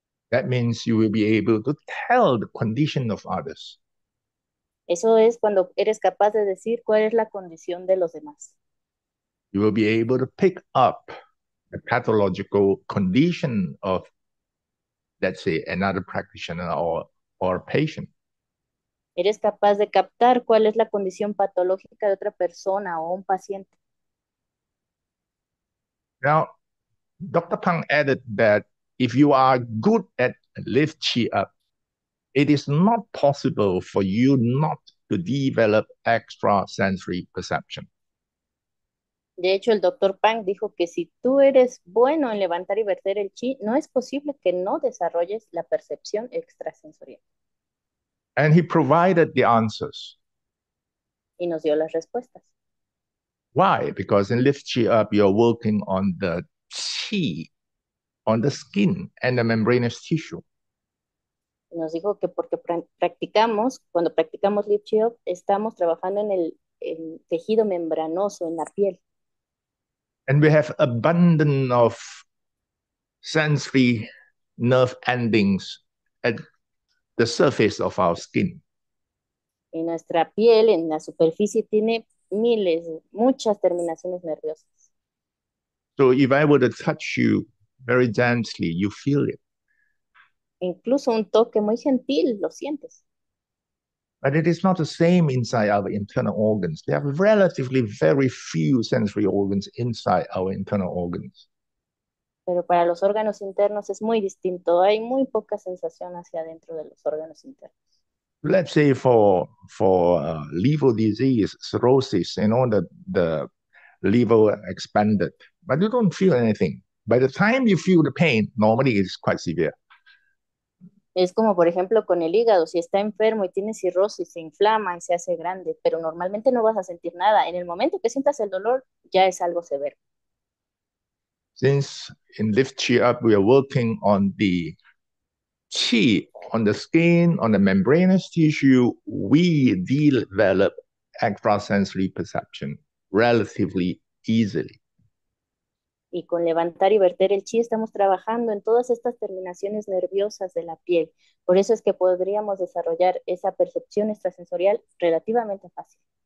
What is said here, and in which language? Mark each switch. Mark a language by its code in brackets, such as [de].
[en] That means you will be able to tell the condition of others. [es] Eso es cuando eres capaz de decir cuál es la condición de los demás. [en] You will be able to pick up the pathological condition of, let's say, another practitioner or patient. [es] Eres capaz de captar cuál es la condición patológica de otra persona o un paciente. [en] Now, Dr. Pang added that if you are good at lift chi up, it is not possible for you not to develop extrasensory perception. [es] De hecho, el doctor Pang dijo que si tú eres bueno en levantar y verter el chi, no es posible que no desarrolles la percepción extrasensorial. [en] And he provided the answers. [es] Y nos dio las respuestas. [en] Why? Because in lift chi up, you're working on the chi, on the skin and the membranous tissue. [es] Y nos dijo que porque practicamos, cuando practicamos Lip Chiop, estamos trabajando en el tejido membranoso, en la piel. [en] And we have abundance of sensory nerve endings at the surface of our skin. [es] Y nuestra piel en la superficie tiene miles, muchas terminaciones nerviosas. [en] So if I were to touch you very gently, you feel it. [es] Incluso un toque muy gentil, lo sientes. [en] But it is not the same inside our internal organs. We have relatively very few sensory organs inside our internal organs. [es] Pero para los órganos internos es muy distinto. Hay muy poca sensación hacia adentro de los órganos internos. [en] Let's say for liver disease, cirrhosis, you know, the liver expanded. But you don't feel anything. By the time you feel the pain, normally it's quite severe. [es] Es como, por ejemplo, con el hígado, si está enfermo y tiene cirrosis, se inflama y se hace grande, pero normalmente no vas a sentir nada. En el momento que sientas el dolor, ya es algo severo. [en] Since in Lift Chi Up, we are working on the chi, on the skin, on the membranous tissue, we develop extrasensory perception relatively easily. [es] Y con levantar y verter el chi estamos trabajando en todas estas terminaciones nerviosas de la piel. Por eso es que podríamos desarrollar esa percepción extrasensorial relativamente fácil.